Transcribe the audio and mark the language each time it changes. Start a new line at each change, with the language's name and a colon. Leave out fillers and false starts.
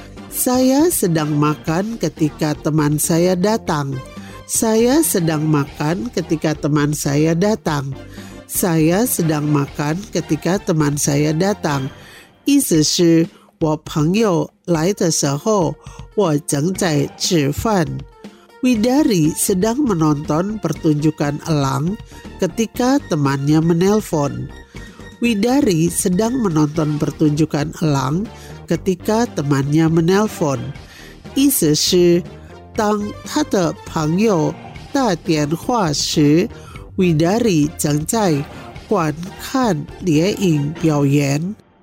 Indonesian: Saya sedang makan ketika teman saya datang. Saya sedang makan ketika teman saya datang. Saya sedang makan ketika teman saya datang.
Chinese: 意思是 我朋友来的时候， 我正在吃饭。
Indonesian: Widari sedang menonton pertunjukan elang ketika temannya menelpon. Widari sedang menonton pertunjukan elang ketika temannya menelpon.
Chinese: 意思是 当他的朋友打电话时， Widari 正在观看猎鹰表演。